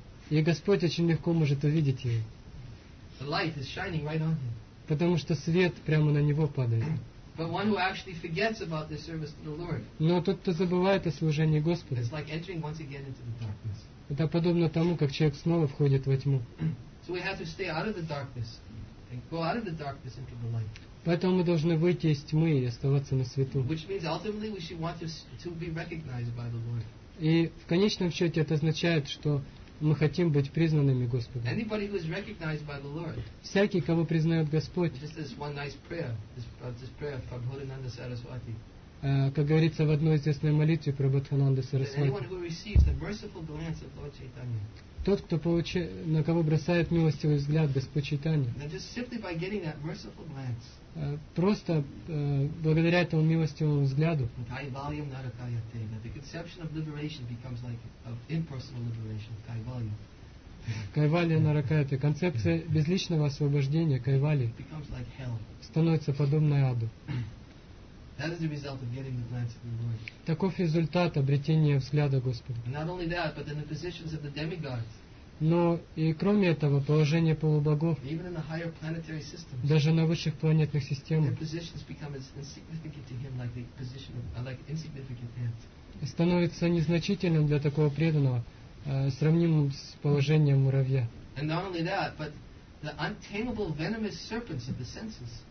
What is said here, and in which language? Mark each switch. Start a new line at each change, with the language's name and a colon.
Russian: И Господь очень легко может увидеть его.
English: The light is shining right on him.
Russian: Потому что свет прямо на него падает.
English: But one who actually forgets about the service to the Lord.
Russian: Но тот, кто забывает о служении Господу.
English: It's like entering once again into the darkness.
Russian: Это подобно тому, как человек снова входит во тьму.
English: So we have to stay out of the darkness and go out of the darkness into the light.
Russian: Поэтому мы должны выйти из тьмы и оставаться на свету.
English: Which means ultimately we should want to be recognized by the Lord.
Russian: И в конечном счете это означает, что мы хотим быть признанными Господом.
English: Anybody who is recognized by the Lord,
Russian: всякий, кого признает Господь,
English: just this one nice prayer, this prayer from Bodhananda Saraswati,
Russian: как говорится в одной известной молитве про Бодхананда Сарасвати,
English: anyone who receives the merciful glance of Lord Chaitanya,
Russian: тот, кто получает, на кого бросает милостивый взгляд Господь Чайтанья,
English: just simply by getting that merciful glance,
Russian: просто благодаря этому милостивому взгляду, кайвалья наракаяте, концепция безличного освобождения кайвали становится подобной аду.
English: That is the result of getting the glance of the Lord.
Russian: Таков результат обретения взгляда Господа.
English: And not only that, but in the positions of the demigods.
Russian: Но и кроме этого, положение полубогов,
English: even in the higher planetary systems,
Russian: даже на высших планетных системах,
English: their positions become as insignificant to him like the position of like insignificant ants.
Russian: Становится незначительным для такого преданного, сравнимым с положением муравья.
English: And not only that, but the untamable venomous serpents of the senses.